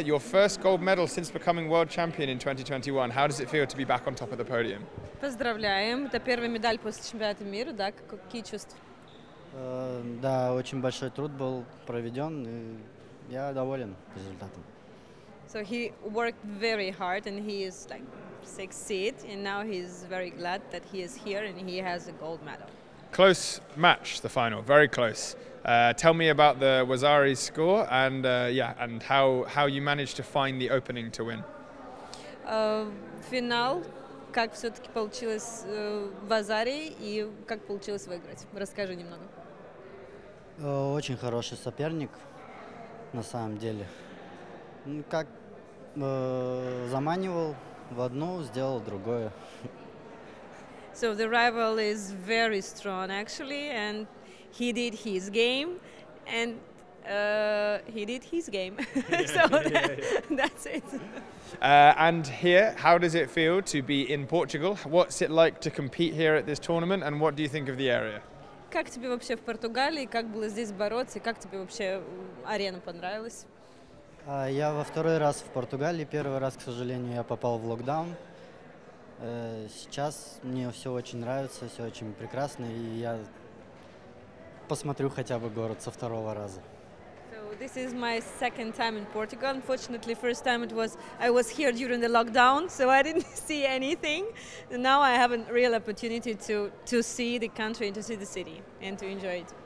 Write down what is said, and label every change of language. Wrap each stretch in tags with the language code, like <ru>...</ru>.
<en>Your first gold medal since becoming world champion in 2021. How does it feel to be back on top of the podium?</en> <ru>Поздравляем. Это первая медаль после чемпионата мира, да? Какие чувства? Да, очень большой труд был проведен, и я доволен результатом.</ru> <en>So he worked very hard and he is like succeed and now he's very glad that he is here and he has a gold medal. Close match, the final, very close. Tell me about the Wazari score and how you managed to find the opening to win.</en> <ru>Final, как все-таки получилось Wazari и как получилось выиграть? Расскажи немного. Очень хороший соперник, на самом деле. Как заманивал в одну, сделал другое.</ru> <en>So the rival is very strong actually, and he did his game, and he did his game. So that's it. And here, how does it feel to be in Portugal? What's it like to compete here at this tournament, and what do you think of the area?</en> <ru>Как тебе вообще в Португалии? Как было здесь бороться? Как тебе вообще арена понравилась? Я во второй раз в Португалии. Первый раз, к сожалению, я попал в локдаун. Сейчас мне все очень нравится, все очень прекрасно, и я посмотрю хотя бы город со второго раза.</ru> <en>So this is my second time in Portugal. Unfortunately, first time I was here during the lockdown, so I didn't see anything. Now I have a real opportunity to see the country, to see the city, and to enjoy it.</en>